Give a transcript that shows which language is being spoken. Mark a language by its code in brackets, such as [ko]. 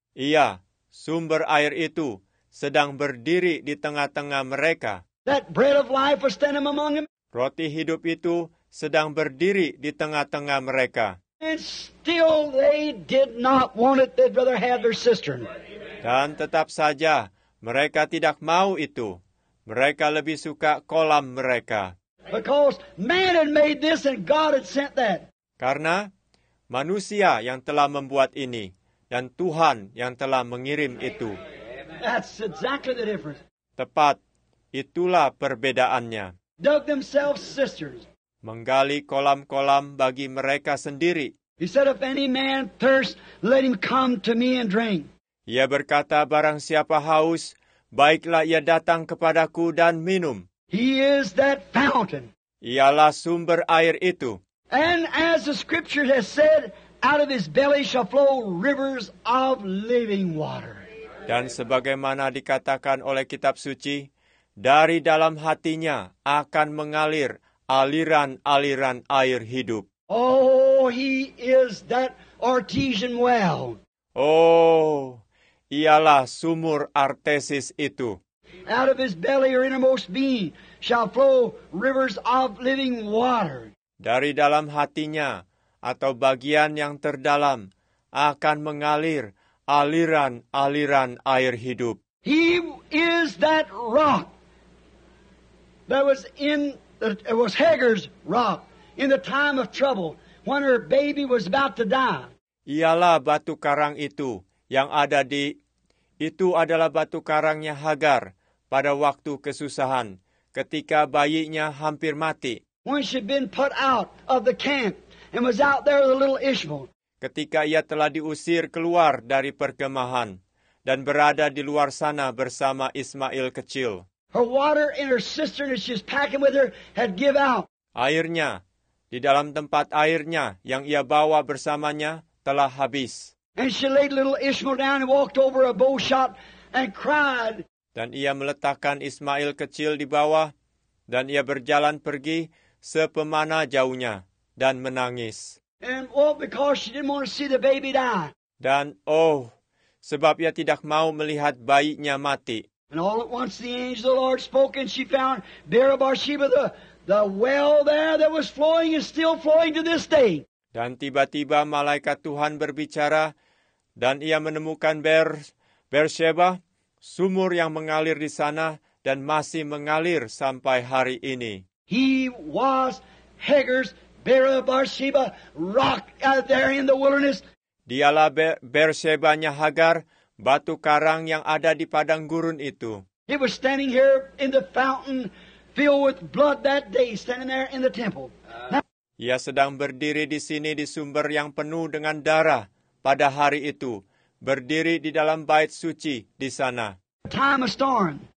[id] Iya, sumber air itu sedang berdiri di tengah-tengah mereka. [en] That bread of life was standing among them. [id] Roti hidup itu sedang berdiri di tengah-tengah mereka. [en] And still they did not want it. They'd rather have their cistern. [id] Dan tetap saja mereka tidak mau itu. Mereka lebih suka kolam mereka. [en] Because man had made this and God had sent that. [id] Karena manusia yang telah membuat ini dan Tuhan yang telah mengirim itu. [en] That's exactly the difference. [id] Tepat. Itulah perbedaannya. [en] Dug themselves cisterns. [id] Menggali kolam-kolam bagi mereka sendiri. [en] He said, "If any man thirst, let him come to me and drink." [id] Ia berkata, barang siapa haus, baiklah ia datang kepadaku dan minum. [en] He is that fountain. [id] Ialah sumber air itu. [en] And as the scripture has said, out of his belly shall flow rivers of living water. [id] Dan sebagaimana dikatakan oleh kitab suci, dari dalam hatinya akan mengalir aliran-aliran air hidup. [en] Oh, he is that artesian well. [id] Oh, ialah sumur artesis itu. [en] Out of his belly or innermost being shall flow rivers of living water. [id] Dari dalam hatinya atau bagian yang terdalam akan mengalir aliran-aliran air hidup. [en] He is that rock that was in the, it was Hagar's rock in the time of trouble when her baby was about to die. [id] Ialah batu karang itu yang ada di itu adalah batu karangnya Hagar pada waktu kesusahan ketika bayinya hampir mati. [en] When she'd been put out of the camp and was out there with a little Ishmael. [id] Ketika ia telah diusir keluar dari perkemahan dan berada di luar sana bersama Ismail kecil. [en] Her water in her cistern that she's packing with her had give out. [id] Airnya di dalam tempat airnya yang ia bawa bersamanya telah habis. [en] And she laid little Ishmael down and walked over a bowshot and cried. [id] Dan ia meletakkan Ismail kecil di bawah dan ia berjalan pergi sepemana jauhnya dan menangis. [en] And well, because she didn't want to see the baby die. [id] Dan oh, sebab ia tidak mau melihat bayinya mati. [en] And all at once the angel of the Lord spoke and she found Bera Barsheba, the well there that was flowing is still flowing to this day. [id] Dan tiba-tiba malaikat Tuhan berbicara dan ia menemukan Beersheba, sumur yang mengalir di sana dan masih mengalir sampai hari ini. [en] He was Hagar's Bera Barsheba rock out there in the wilderness. [id] Dialah Beersheba-nya Hagar, batu karang yang ada di padang gurun itu. [en] He was standing here in the fountain filled with blood that day, standing there in the temple. [id] Ia sedang berdiri di sini di sumber yang penuh dengan darah pada hari itu, berdiri di dalam bait suci di sana. [en] Time of storm.